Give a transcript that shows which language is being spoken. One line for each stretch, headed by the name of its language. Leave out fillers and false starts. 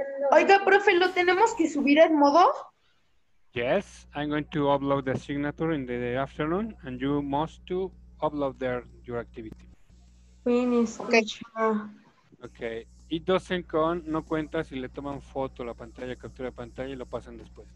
Spanish: Oiga, profe, ¿lo tenemos que subir en modo?
English: Yes, I'm going to upload the signature in the afternoon, and you must to upload there your activity. Okay. It doesn't count,
Spanish: no cuenta si le toman foto la pantalla, captura de pantalla y lo pasan después.